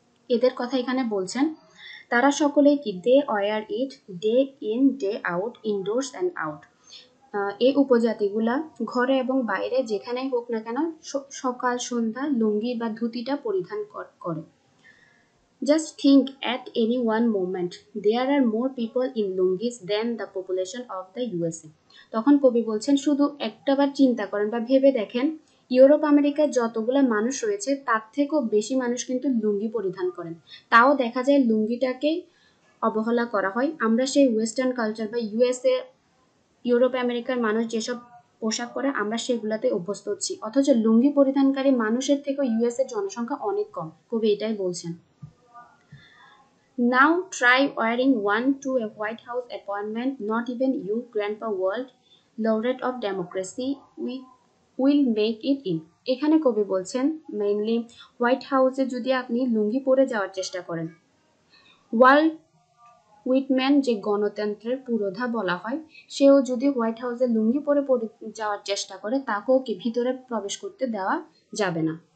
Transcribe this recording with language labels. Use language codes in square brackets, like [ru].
[bn] এদের কথা এখানে বলছেন, তারা সকলেই কি [en] They wear it day in day out indoors and out. [bn] এই উপজাতিগুলা ঘরে এবং বাইরে যেখানেই হোক না কেন সকাল সন্ধ্যা লুঙ্গি বা ধুতিটা পরিধান করে। [en] Just think, at any one moment, there are more people in lungis than the population of the USA. [bn] তখন কবি বলছেন, শুধু একটাবার চিন্তা করেন বা ভেবে দেখেন, ইউরোপ আমেরিকায় যতগুলো মানুষ রয়েছে তার থেকেও বেশি মানুষ কিন্তু লুঙ্গি পরিধান করেন। তাও দেখা যায় লুঙ্গিটাকে অবহেলা করা হয়। আমরা সেই ওয়েস্টার্ন কালচার বা ইউএসএ, ইউরোপ আমেরিকার মানুষ যেসব পোশাক পরে আমরা সেগুলোতে অভ্যস্ত হচ্ছি, অথচ লুঙ্গি পরিধানকারী মানুষের থেকেও ইউএসএর জনসংখ্যা অনেক কম। কবি এটাই বলছেন। [en] Now try wearing one to a White House appointment. Not even you, Grandpa World, laureate of democracy, will make it in. [bn] এখানে কবি বলছেন, মেইনলি হোয়াইট হাউসে যদি আপনি লুঙ্গি পরে যাওয়ার চেষ্টা করেন, ওয়াল্ড উইটম্যান, যে গণতন্ত্রের পুরোধা বলা হয়, সেও যদি হোয়াইট হাউসে লুঙ্গি পরে যাওয়ার চেষ্টা করে, তাকেও কি ভিতরে প্রবেশ করতে দেওয়া যাবে না।